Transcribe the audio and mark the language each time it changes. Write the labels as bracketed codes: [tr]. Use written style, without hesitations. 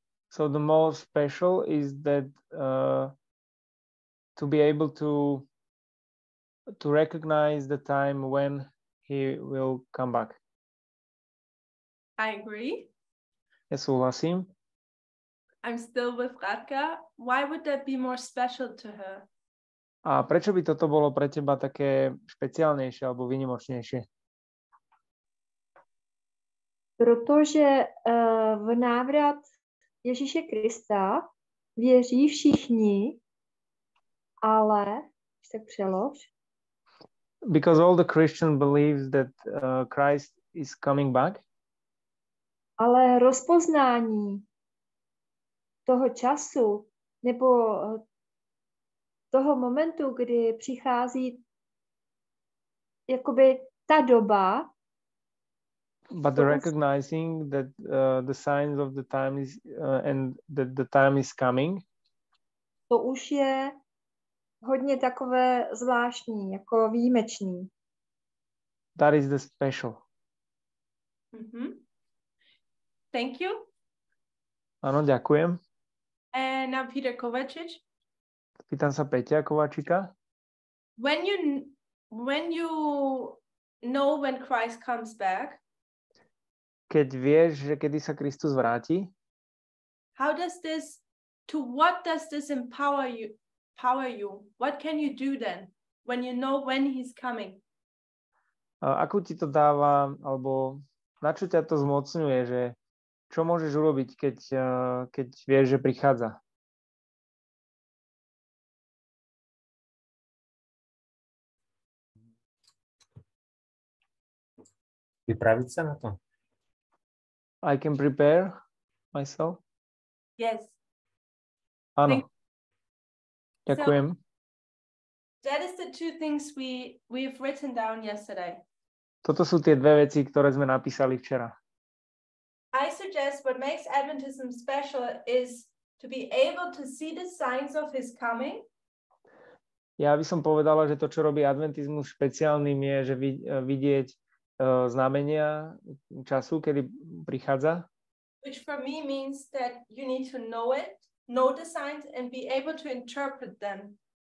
[en] So the more special is that to be able to recognize the time when he will come back. I agree. [sk] Ja súhlasím. [en] I'm still with Radka. Why would that be more special to her? [sk] A prečo by toto bolo pre teba také špeciálnejšie alebo výnimočnejšie? [cs] Protože v návrat Ježíše Krista věří všichni, ale ještě tak přelož. [en] Because all the Christians believe that Christ is coming back. [cs] Ale rozpoznání toho času nebo toho momentu, kdy přichází jakoby ta doba. [en] But the recognizing that the signs of the time is and that the time is coming. [cs] To už je hodně takové zvláštní, jako výjimečný. [en] That is the special. Mm-hmm. Thank you. [sk] Ano, ďakujem. [en] And now Peter Kovačič. [sk] Pýtam sa Peťa Kovačíka. [en] When you know when Christ comes back, [sk] Keď vieš, že kedy sa Kristus vráti? [en] How does this, to what does this empower you? Power you? What can you do then when you know when he's coming? [sk] Ako ti to dáva, alebo na čo ťa to zmocňuje, že čo môžeš urobiť, keď vieš, že prichádza? Pripraviť sa na to? [en] I can prepare myself? Yes. [sk] Áno. Ďakujem. [en] So, that is the two things we've written down yesterday. [sk] Toto sú tie dve veci, ktoré sme napísali včera. [en] I suggest what makes Adventism special is to be able to see the signs of his coming. [sk] Ja by som povedala, že to, čo robí Adventizmus špeciálnym, je, že vidieť znamenia času, kedy prichádza. [en] Which for me means that you need to know it, know the signs and be able to interpret them.